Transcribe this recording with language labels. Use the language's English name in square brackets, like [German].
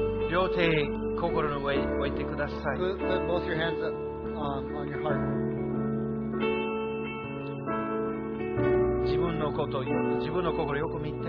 [Japanese] 両手心の上に置いてください。 [English] Put both your hands up, on your heart. [Japanese] 自分のこと、自分の心をよく見て。